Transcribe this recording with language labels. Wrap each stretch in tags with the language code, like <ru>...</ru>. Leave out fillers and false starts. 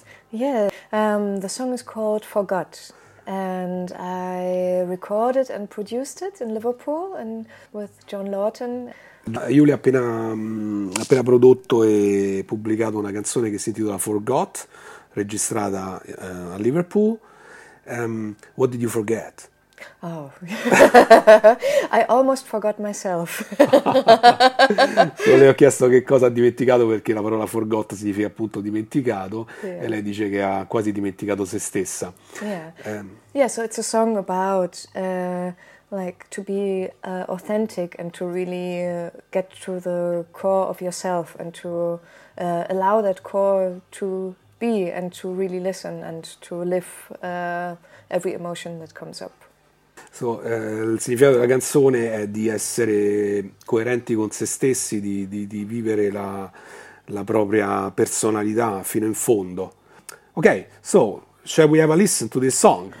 <en>Yeah, the song is called Forgot, and I recorded and produced it in Liverpool and with John Lawton.</en> <it>Julia ha appena prodotto e pubblicato una canzone che si intitola Forgot, registrata a Liverpool.</it> <en>What did you forget? Oh, I almost forgot myself.</en> <it>So le ho chiesto che cosa ha dimenticato, perché la parola forgot significa appunto dimenticato, yeah. E lei dice che ha quasi dimenticato se stessa.</it> <en>Yeah, so it's a song about like to be authentic and to really get to the core of yourself and to allow that core to be and to really listen and to live every emotion that comes up.</en> <it>So, il significato della canzone è di essere coerenti con se stessi, di vivere la propria personalità fino in fondo.</it> <en>Ok, so, shall we have a listen to this song?</en>